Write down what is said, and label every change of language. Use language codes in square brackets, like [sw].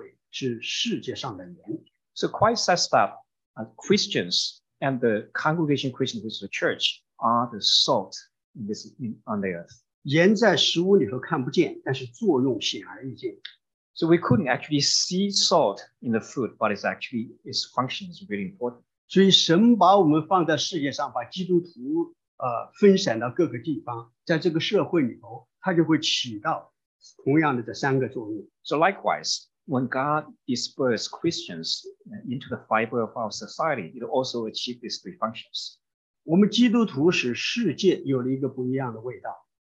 [zh] 主说，我们基督徒和神的教会是世界上的盐。So [en] Christ says that Christians and the congregation Christians, which is the church, are the salt in this on the earth. [zh] 盐在食物里头看不见，但是作用显而易见。So [en] we couldn't actually see salt in the food, but its function is really important. [zh] 所以神把我们放在世界上，把基督徒分散到各个地方，在这个社会里头，它就会起到同样的这三个作用。So [en] likewise, when God dispersed Christians into the fiber of our society, it also achieved these three functions. [zh] 我们基督徒使世界有了一个不一样的味道。